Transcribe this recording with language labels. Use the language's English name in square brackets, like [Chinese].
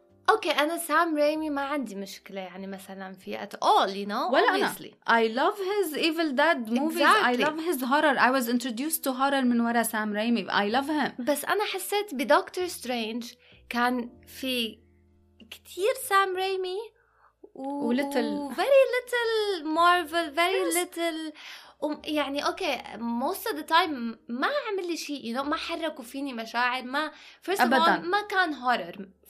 [Arabic] أوكي أنا سام ريمي ما عندي مشكلة يعني مثلاً في [English] at all you know [Arabic] ولا [English] obviously [Arabic] أنا. [English] I love his Evil Dead movies exactly. I love his horror I was introduced to horror [Arabic] من وراء سام ريمي [English] I love him [Arabic] بس أنا حسيت بدكتور سترينج كان في كتير سام ريمي ولittle [English] very little Marvel very little [Arabic] يعني اوكي [English] most of the time [Arabic] ما عمل لي شيء [English] you know [Arabic] ما حركوا فيني مشاعر ما [English] first of all [Arabic] ما كان [English] horror